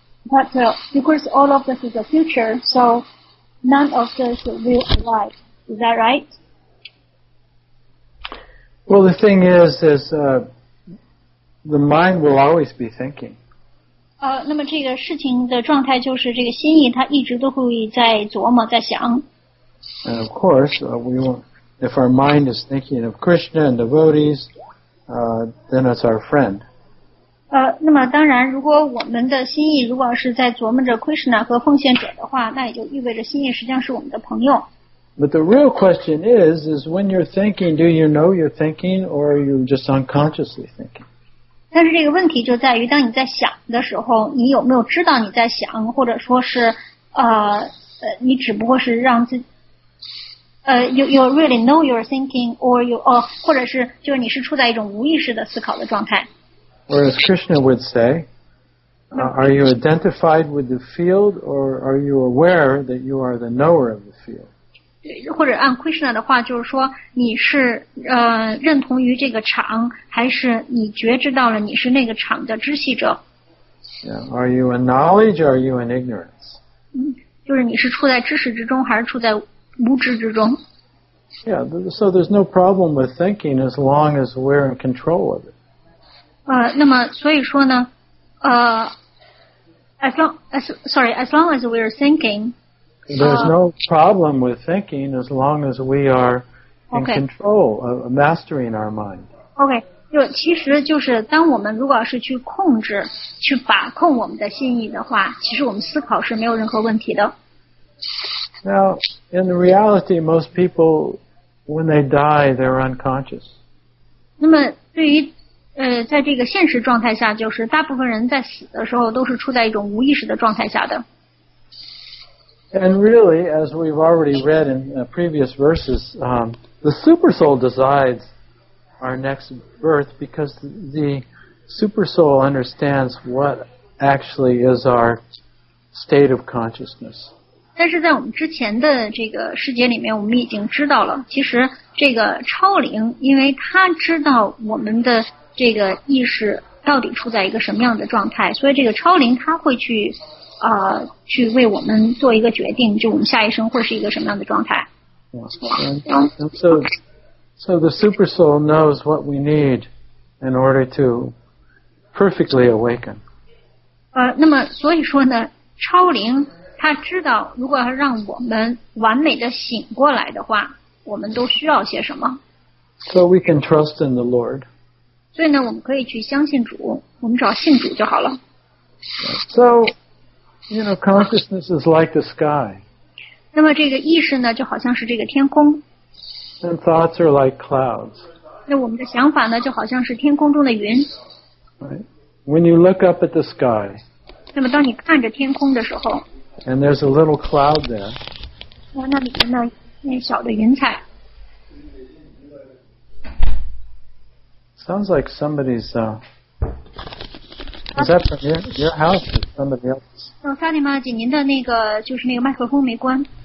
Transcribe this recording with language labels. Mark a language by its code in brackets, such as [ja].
[en] But of course, all of this is the future, so none of this will arrive. Is that right? Well, the thing is the mind will always be thinking. [zh] 那么这个事情的状态就是这个心意，它一直都会在琢磨，在想。 [en] And of course, we want, if our mind is thinking of Krishna and devotees, then it's our friend. [zh] 那么当然，如果我们的心意如果是在琢磨着 Krishna 和奉献者的话，那也就意味着心意实际上是我们的朋友。 [en] But the real question is when you're thinking, do you know you're thinking, or are you just unconsciously thinking? [zh] 但是这个问题就在于，当你在想的时候，你有没有知道你在想，或者说是你只不过是让自己。 [en] You really know you're thinking, or you, or, [zh] 或者是就是你是处在一种无意识的思考的状态。 [en] Or as Krishna would say, are you identified with the field, or are you aware that you are the knower of the field? [zh] 或者按 Krishna 的话，就是说你是认同于这个场，还是你觉知到了你是那个场的知悉者 [en] ？Yeah, are you in knowledge, or are you in ignorance? [zh] 就是你是处在知识之中，还是处在无知之中。 [en] Yeah, so there's no problem with thinking as long as we're in control of it. [zh] 那么所以说呢， [en] as long as we're thinking. There's no problem with thinking as long as we are in control of mastering our mind. [zh] Okay, 就其实就是当我们如果是去控制、去把控我们的心意的话，其实我们思考是没有任何问题的。 [en] Now, in reality, most people, when they die, they're unconscious. [zh] 那么对于在这个现实状态下，就是大部分人在死的时候都是处在一种无意识的状态下的。 [en] And really, as we've already read in previous verses, the super soul decides our next birth because the super soul understands what actually is our state of consciousness. [zh] 但是在我们之前的这个世界里面，我们已经知道了，其实这个超灵，因为他知道我们的这个意识到底处在一个什么样的状态，所以这个超灵他会去去为我们做一个决定，就我们下一生会是一个什么样的状态。 [en] So the super soul knows what we need in order to perfectly awaken. [zh] 那么所以说呢，超灵。他知道，如果要让我们完美的醒过来的话，我们都需要些什么。 [en] So we can trust in the Lord. [zh] 所以呢，我们可以去相信主，我们只要信主就好了。 [en] So, you know, consciousness is like the sky. [zh] 那么这个意识呢，就好像是这个天空。 [en] And thoughts are like clouds. [zh] 那我们的想法呢，就好像是天空中的云。 [en] Right. When you look up at the sky. [zh] 那么当你看着天空的时候。 [en] And there's a little cloud there. [zh] 那里面呢，那小的云彩。 [en] Sounds like somebody's. Is that from your house or somebody else? [zh] 萨利玛姐，您的那个就是那个麦克风没关。